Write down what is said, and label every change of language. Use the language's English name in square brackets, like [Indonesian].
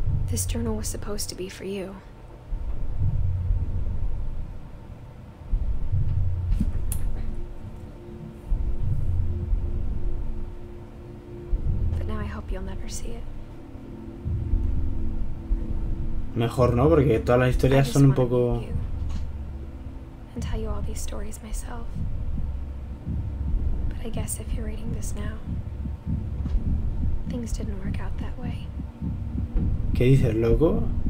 [English] This journal was supposed to be for you. But now I hope you'll never see it. [Spanish] Mejor no, porque todas las historias son un poco... [English] And tell you all these stories myself. But I guess if you're reading this now, things didn't work out that way. [Spanish] ¿Qué dices, loco?